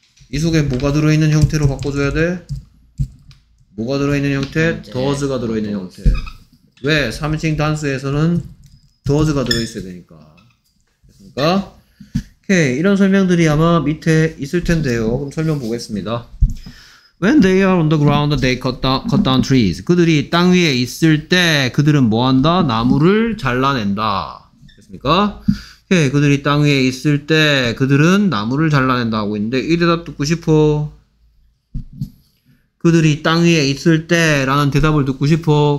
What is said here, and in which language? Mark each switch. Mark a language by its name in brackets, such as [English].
[Korean] 이 속에 뭐가 들어있는 형태로 바꿔줘야 돼? 뭐가 들어있는 형태? does가 들어있는 형태. 왜? 3인칭 단수에서는 does가 들어있어야 되니까. 됐습니까? 오케이. 이런 설명들이 아마 밑에 있을 텐데요. 그럼 설명 보겠습니다. [English] When they are on the ground, they cut down trees. [Korean] 그들이 땅 위에 있을 때 그들은 뭐 한다? 나무를 잘라낸다. 됐습니까? 오케이. 그들이 땅 위에 있을 때 그들은 나무를 잘라낸다 하고 있는데 이 대답 듣고 싶어? 그들이 땅 위에 있을 때라는 대답을 듣고 싶어?